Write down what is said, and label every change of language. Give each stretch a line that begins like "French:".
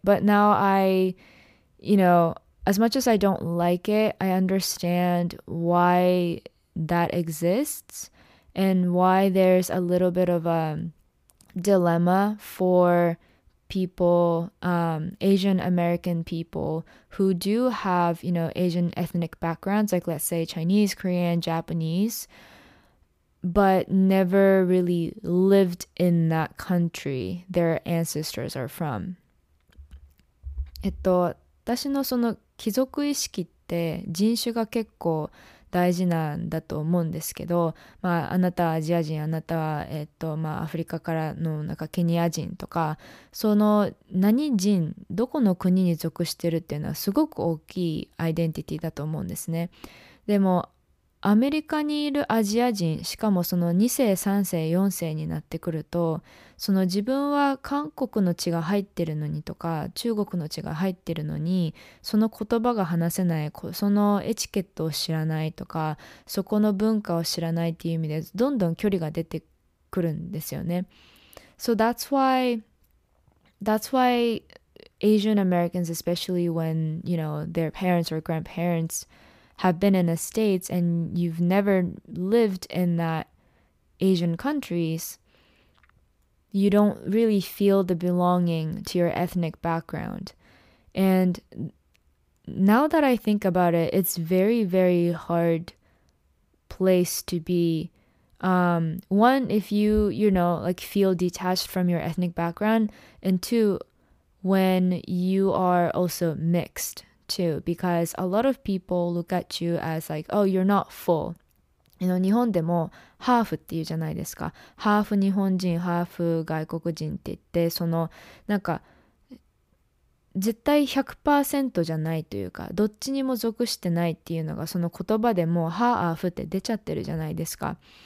English: But now I, you know, as much as I don't like it, I understand why that exists and why there's a little bit of a dilemma for people, Asian American people who do have, you know, Asian ethnic backgrounds, like let's say Chinese, Korean, Japanese, but never really lived in that country their ancestors are from.
Japanese: 私のその帰属意識って人種が結構大事なんだと思うんですけど、まあ、あなたはアジア人、あなたは、まあ、アフリカからのなんかケニア人とか、その何人、どこの国に属してるっていうのはすごく大きいアイデンティティだと思うんですね。でもアメリカにいるアジア人、しかもその2世、3世、4世になってくると、その自分は韓国の血が入ってるのにとか、中国の血が入ってるのに、その言葉が話せない、そのエチケットを知らないとか、そこの文化を知らないっていう意味で、どんどん距離が出てくるんですよね。
English: So that's why Asian Americans, especially when, you know, their parents or grandparents,have been in the States and you've never lived in that Asian countries, you don't really feel the belonging to your ethnic background. And now that I think about it, it's very, very hard place to be. One, if you know, like feel detached from your ethnic background, and two, when you are also mixed. Too, because a lot of people look at you as like, oh, you're not full. You know,
Japanese: 日本でもハーフって言うじゃないですか。ハーフ日本人、ハーフ外国人って言って、そのなんか絶対 100% じゃないというか、どっちにも属してないっていうのがその言葉でもハーフって出ちゃってるじゃないですか。